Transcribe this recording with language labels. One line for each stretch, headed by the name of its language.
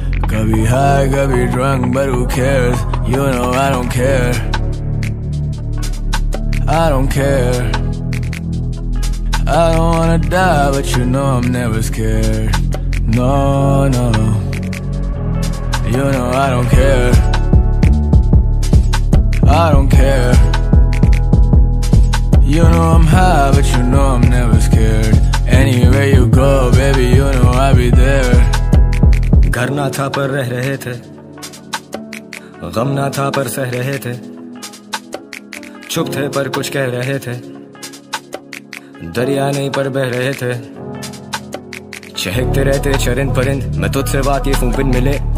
English: कभी हाई कभी drunk but who cares you know I don't care I don't care I don't wanna die but you know I am never scared no no you know I don't care I don't care. You know I'm high, but you know I'm never scared. Anywhere you go, baby, you know I'll be there.
Hindi: घर ना था पर रह रहे थे, गम ना था पर सह रहे थे, चुप थे पर कुछ कह रहे थे, दरिया नहीं पर बह रहे थे, चहकते रहते चरिंद परिंद, मैं तुझसे वाकिफ हूँ बिन मिले